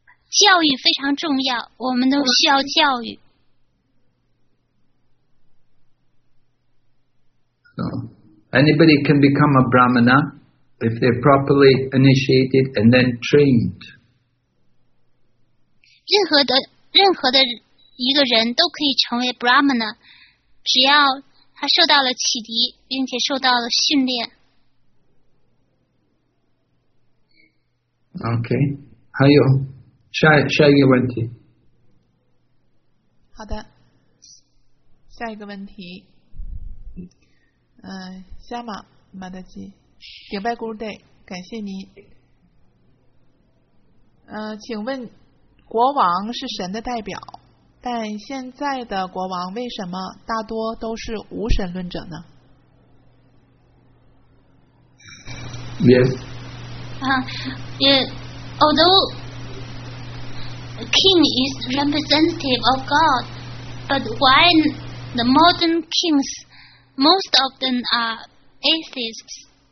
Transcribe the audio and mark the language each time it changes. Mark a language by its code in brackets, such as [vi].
[zh] 教育非常重要，我们都需要教育。 [en] So, anybody can become a Brahmana if they're properly initiated and then trained. [zh] 任何的一个人都可以成为 Brahmana， 只要他受到了启迪，并且受到了训练。 Okay, 还有下一个问题。好的，下一个问题。夏玛马德基，顶拜古鲁代，感谢您。请问国王是神的代表，但现在的国王为什么大多都是无神论者呢 [en] ？Yes. Although the king is representative of God, but why the modern kings, most of them are atheists?